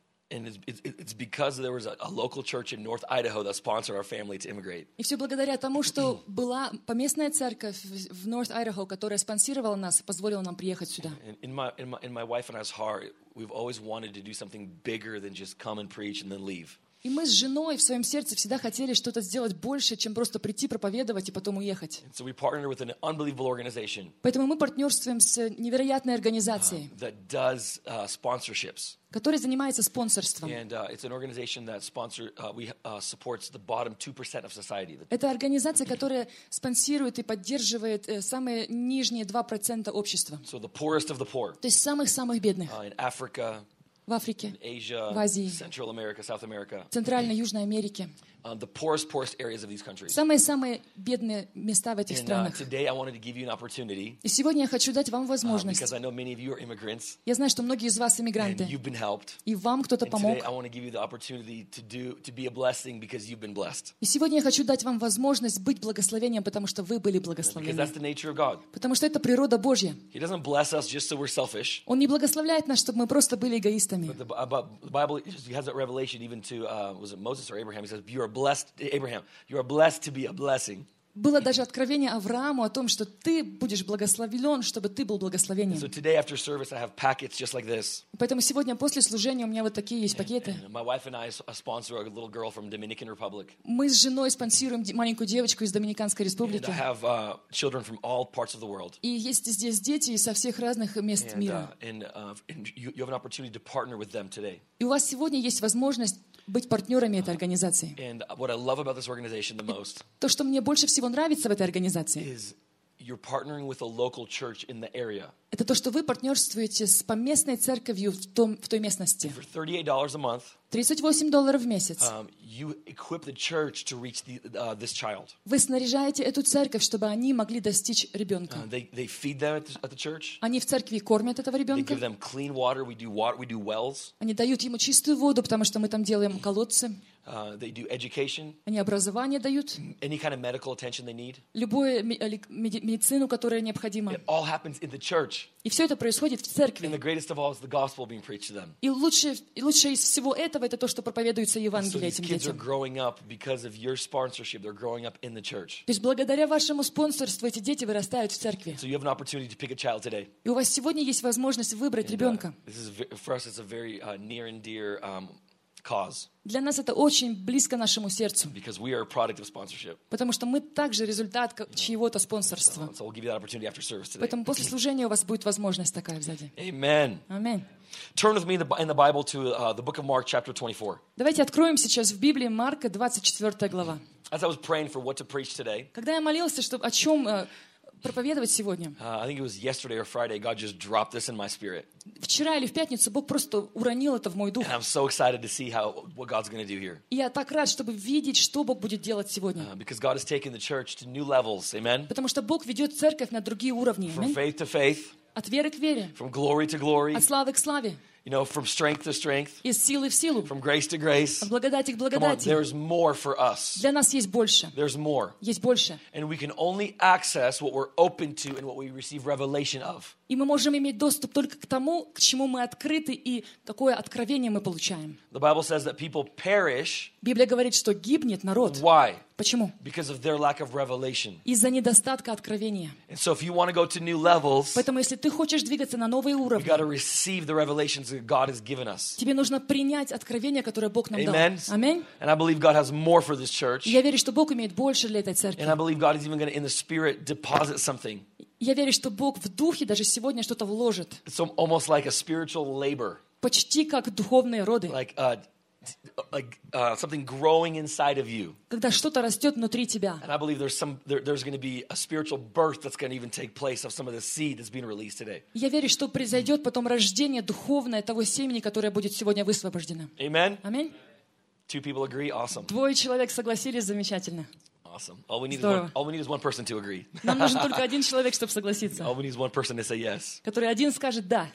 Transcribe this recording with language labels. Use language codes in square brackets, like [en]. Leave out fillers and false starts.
[en] And it's because there was a local church in North Idaho that sponsored our family to immigrate. [ru] И все благодаря тому, что была поместная церковь в North Idaho, которая спонсировала нас, позволила нам приехать сюда. [en] In my wife and I's heart, we've always wanted to do something bigger than just come and preach and then leave. [ru] И мы с женой в своем сердце всегда хотели что-то сделать больше, чем просто прийти, проповедовать и потом уехать. [en] So we partnered with an unbelievable organization. [ru] Поэтому мы партнерствуем с невероятной организацией, [en] that does sponsorships. [ru] Которая занимается спонсорством. [en] And it's an organization that sponsor, we supports the bottom 2% of society. [ru] Это организация, которая спонсирует и поддерживает самые нижние 2% общества. [en] So the poorest of the poor. [ru] То есть самых-самых бедных. [en] In Africa. [ru] в Африке, [en] Asia, [ru] в Азии, [en] Central America, South America, [ru] Центральной и Южной Америке. [en] The poorest areas of these countries. [ru] Самые-самые бедные места в этих странах. [en] Today I wanted to give you an opportunity. [ru] И сегодня я хочу дать вам возможность. [en] Because I know many of you are immigrants. [ru] Я знаю, что многие из вас иммигранты. [en] And you've been helped. [ru] И вам кто-то помог. [en] Today I want to give you the opportunity to be a blessing because you've been blessed. [ru] И сегодня я хочу дать вам возможность быть благословением, потому что вы были благословлены. [en] Because that's the nature of God. [ru] Потому что это природа Божья. [en] He doesn't bless us just so we're selfish. [ru] Он не благословляет нас, чтобы мы просто были эгоистами. [en] But the Bible has that revelation even to was it Moses or Abraham? He says, "You are blessed, Abraham. You are blessed to be a blessing." [ru] Было даже откровение Аврааму о том, что ты будешь благословлен, чтобы ты был благословением. [en] So today after service I have packets just like this. [ru] Поэтому сегодня после служения у меня вот такие есть пакеты. [en] My wife and I sponsor a little girl from Dominican Republic. [ru] Мы с женой спонсируем маленькую девочку из Доминиканской Республики. [en] And I have children from all parts of the world. [ru] И есть здесь дети со всех разных мест мира. [en] And you have an opportunity to partner with them today. [ru] И у вас сегодня есть возможность быть партнерами этой организации. [en] And what I love about this organization the most, [ru] то, что мне больше всего нравится в этой организации, [en] is you're partnering with a local church in the area. [ru] Это то, что вы партнерствуете с поместной церковью в той местности. [en] For $38 a month, [ru] $38 в месяц, [en] you equip the church to reach this child. [ru] Вы снаряжаете эту церковь, чтобы они могли достичь ребенка. [en] They feed them at the church. [ru] Они в церкви кормят этого ребенка. [en] They give them clean water. We do wells. [ru] Они дают ему чистую воду, потому что мы там делаем колодцы. [en] They do education. [ru] Они образование дают. [en] Any kind of medical attention they need. [ru] Любую медицину, которая необходима. [en] It all happens in the church. [ru] И все это происходит в церкви. [en] And the greatest of all is the gospel being preached to them. [ru] И лучшее из всего этого это то, что проповедуется Евангелие этим детям. [en] So these kids are growing up because of your sponsorship. They're growing up in the church. [ru] То есть благодаря вашему спонсорству эти дети вырастают в церкви. [en] So you have an opportunity to pick a child today. [ru] И у вас сегодня есть возможность выбрать ребенка. [en] This is for us. It's a very near and dear cause. [ru] Для нас это очень близко нашему сердцу. [en] Because we are a product of sponsorship. [ru] Потому что мы также результат чьего-то спонсорства. [en] So we'll give you that opportunity after service today. [ru] Поэтому после служения у вас будет возможность такая сзади. [en] Amen. Amen. Turn with me in the Bible to the book of Mark, chapter 24. [ru] Давайте откроем сейчас в Библии Марка 24 глава. [en] As I was praying for what to preach today. [ru] Когда я молился, чтобы о чем проповедовать сегодня. [en] I think it was yesterday or Friday. God just dropped this in my spirit. [ru] Вчера или в пятницу Бог просто уронил это в мой дух. [en] And I'm so excited to see what God's going to do here. [ru] Я так рад, чтобы видеть, что Бог будет делать сегодня. [en] Because God is taking the church to new levels. Amen. [ru] Потому что Бог ведет церковь на другие уровни. [en] From faith to faith. [ru] От веры к вере. [en] From glory to glory. [ru] От славы к славе. [en] You know, from strength to strength. [ru] Из силы в силу. [en] From grace to grace. [ru] От благодати к благодати. [en] Come on, there's more for us. [ru] Для нас есть больше. [en] There's more. [ru] Есть больше. [en] And we can only access what we're open to and what we receive revelation of. [ru] И мы можем иметь доступ только к тому, к чему мы открыты и какое откровение мы получаем. [en] The Bible says that people perish. [ru] Библия говорит, что гибнет народ. [en] Why? [ru] Почему? [en] Because of their lack of revelation. [ru] Из-за недостатка откровения. [en] And so if you want to go to new levels, [ru] поэтому если ты хочешь двигаться на новые уровни, [en] you've got to receive the revelations that God has given us. [ru] Тебе нужно принять откровение, которое Бог нам [en] Amen. [ru] Дал. Amen. [en] And I believe God has more for this church. [ru] Я верю, что Бог имеет больше для этой церкви. [en] And I believe God is even going to, in the Spirit, deposit something. [ru] Я верю, что Бог в духе даже сегодня что-то вложит. [en] It's almost like a spiritual labor. [ru] Почти как духовные роды. [en] Something growing inside of you. [ru] Когда что-то растет внутри тебя. [en] And I believe there's going to be a spiritual birth that's going to even take place of some of the seed that's being released today. [ru] Я верю, что произойдет потом рождение духовное того семени, которое будет сегодня высвобождено. [en] Amen. [ru] Amen. [en] Two people agree. Awesome. [ru] Двое человек согласились. Замечательно. [en] Awesome. All we need is one person to agree. [ru] Нам нужен только один человек, чтобы согласиться. [en] All we need is one person to say yes. [ru] Который один скажет да.